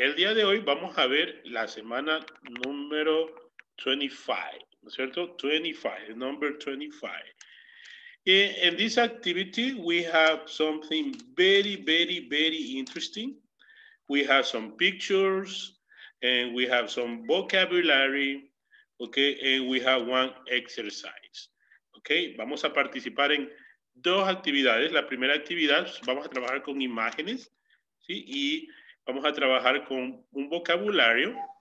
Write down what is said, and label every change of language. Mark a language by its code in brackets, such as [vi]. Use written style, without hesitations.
[es] El día de hoy vamos a ver la semana número 25, ¿no es cierto? [en] 25, number 25. In this activity, we have something very, very, very interesting. We have some pictures. And we have some vocabulary, okay? And we have one exercise, okay? [es] Vamos a participar en dos actividades. La primera actividad, vamos a trabajar con imágenes, ¿sí? Y vamos a trabajar con un vocabulario.